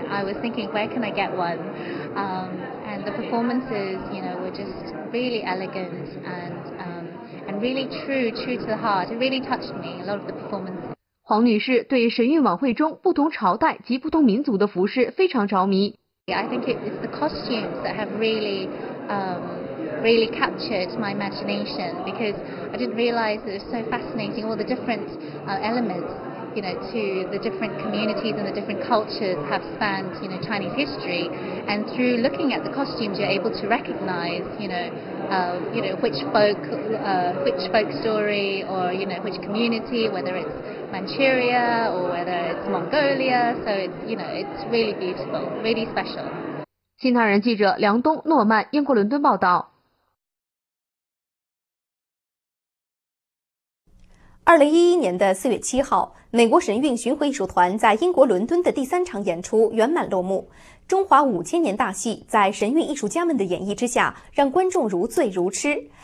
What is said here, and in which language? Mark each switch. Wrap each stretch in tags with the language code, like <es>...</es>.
<en>I was thinking, where can I get one? And the performances, you know, were just really elegant and really true to the heart. It really touched me, a lot of the performances.</en> <zh>黄女士对神韵晚会中不同朝代及不同民族的服饰非常着迷。</zh> <en>I think it's the costumes that have really captured my imagination because I didn't realize it was so fascinating all the different elements, you know, to the different communities and the different cultures have spanned, you know, Chinese history. And through looking at the costumes, you're able to recognize, you know, which folk story or, you know, which community, whether it's Manchuria or whether it's Mongolia. So it's, you know, it's really beautiful, really special.</en> <zh>新唐人记者梁东、诺曼，英国伦敦报道。 2011年的4月7号，美国神韵巡回艺术团在英国伦敦的第三场演出圆满落幕。中华五千年大戏在神韵艺术家们的演绎之下，让观众如醉如痴。</zh>